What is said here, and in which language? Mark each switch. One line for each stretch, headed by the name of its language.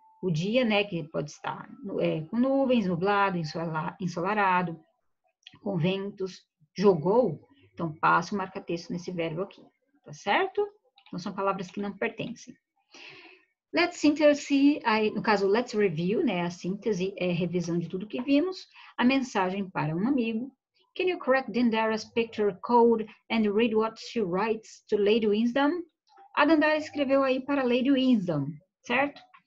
Portuguese: O dia, né, que pode estar com nuvens, nublado, ensolarado. Com ventos, jogou, então passo o marca-texto nesse verbo aqui, tá certo? Então são palavras que não pertencem.
English: Let's synthesize,
Portuguese: no caso,
English: let's review,
Portuguese: né? A síntese é a revisão de tudo que vimos. A mensagem para um amigo.
English: Can you correct Dandara's picture code and read what she writes to Lady Wisdom?
Portuguese: A Dandara escreveu aí para Lady Wisdom, certo?